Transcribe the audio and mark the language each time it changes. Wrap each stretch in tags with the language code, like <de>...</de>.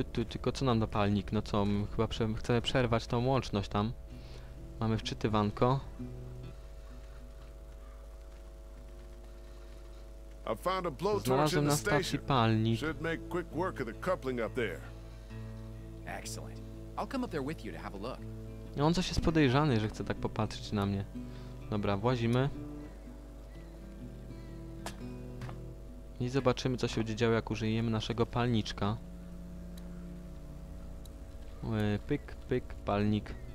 <pl>Tylko co nam napalnik? No co, my chyba chcemy przerwać tą łączność tam. Mamy wczytywanko. Znalazłem na stacji palnik.</pl> <en>Should make quick work of the coupling up there. Excellent. I'll come up there with you to have a look.</en> <pl>No on coś jest podejrzany, że chce tak popatrzeć na mnie. Dobra, włazimy. I zobaczymy, co się będzie działo, jak użyjemy naszego palniczka. Pyk, pyk, palnik.</pl>